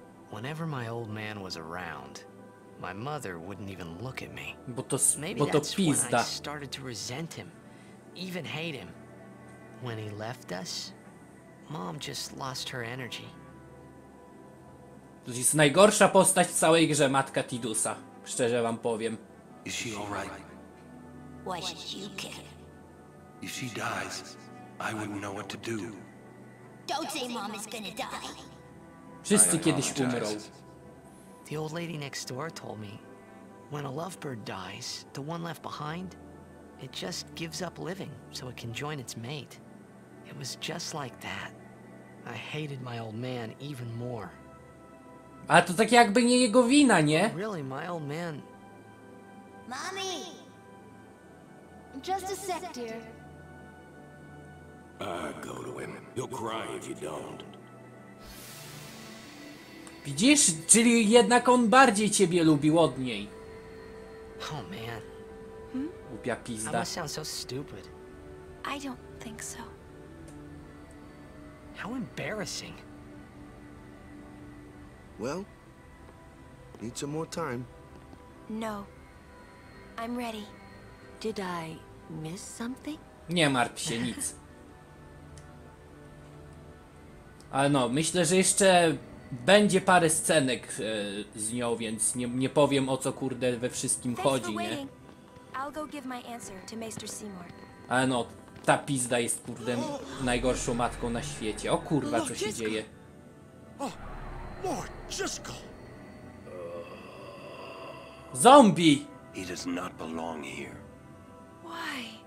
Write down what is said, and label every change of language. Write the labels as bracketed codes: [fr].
[en] Whenever my old man was around, my mother wouldn't even look at me. Maybe that's when I started to resent him, even hate him. When he left us, Mom just lost her energy. [pl] To jest najgorsza postać w całej grze, matka Tidusa. Szczerze wam powiem. [en] Is she all right? Why should you care? If she dies, I wouldn't know what to do. Don't say Mom is gonna die. [pl] Wszyscy kiedyś umrą. [en] The old lady next door told me, when a lovebird dies, the one left behind, it just gives up living so it can join its mate. It was just like that. I hated my old man even more. [pl] A to tak jakby nie jego wina, nie? [en] Really, my old man. Mommy! Just a sec, dear. Go to him. You'll cry if you don't. [pl] Widzisz? Czyli jednak on bardziej ciebie lubił od niej. [en] Oh man. [pl] Głupia pizda. [en] I must sound so stupid. I don't think so. How embarrassing. Well, need some more time. No, I'm ready. Did I miss something? [pl] Nie martw się, nic. Ale no, myślę, że jeszcze będzie parę scenek z nią, więc nie powiem, o co kurde we wszystkim chodzi, nie? [en] I'll go give my answer to Maester Seymour. [pl] Ale no, ta pizda jest kurde najgorszą matką na świecie. O kurwa, co się dzieje? Zombie! [en] He does not belong here. Why?